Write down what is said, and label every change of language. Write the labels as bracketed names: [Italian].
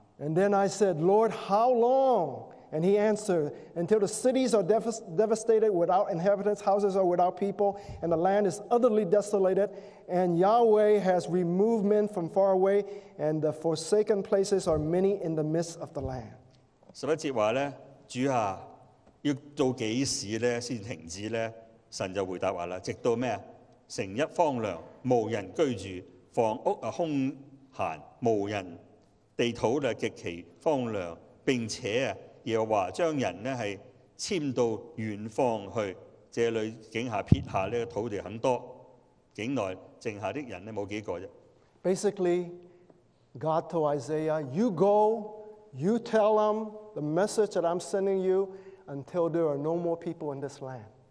[English] And then I said, "Lord, how long?" And he answered, "Until the cities are devastated without inhabitants, houses are without people, and the land is utterly desolated, and Yahweh has removed men from far away, and the forsaken places are many in the midst of the land." [Cantonese] 十一節話咧。主啊，要到幾時咧先停止咧？神就回答話啦：直到咩啊？城邑荒涼，無人居住；房屋啊空閒，無人；地土咧極其荒涼，並且啊，耶和華將人咧係遷到遠方去。這裏境下撇下咧土地很多，境內剩下的人咧冇幾個啫。 [English] Basically, God told Isaiah, "You go, you tell them." The message that I'm sending you until there are no more people in this land.